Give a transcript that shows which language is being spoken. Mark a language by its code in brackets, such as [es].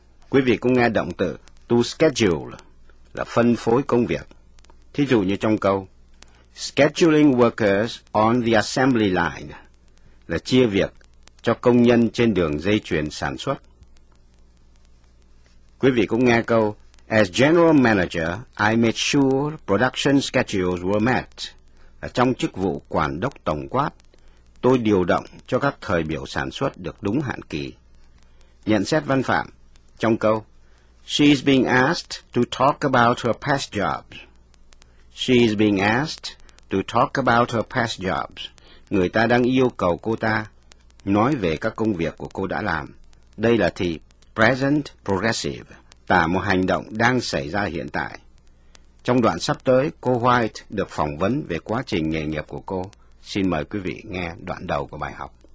[vi] Quý vị cũng nghe động từ to schedule, là phân phối công việc. Thí dụ như trong câu, [en] scheduling workers on the assembly line, [vi] là chia việc cho công nhân trên đường dây chuyền sản xuất. Quý vị cũng nghe câu, [en] as general manager, I made sure production schedules were met. [vi] Là trong chức vụ quản đốc tổng quát, tôi điều động cho các thời biểu sản xuất được đúng hạn kỳ. Nhận xét văn phạm, trong câu, [en] she's being asked to talk about her past jobs. She's being asked to talk about her past jobs. [vi] Người ta đang yêu cầu cô ta nói về các công việc của cô đã làm. Đây là thì present progressive, tả một hành động đang xảy ra hiện tại. Trong đoạn sắp tới, cô White được phỏng vấn về quá trình nghề nghiệp của cô. Xin mời quý vị nghe đoạn đầu của bài học.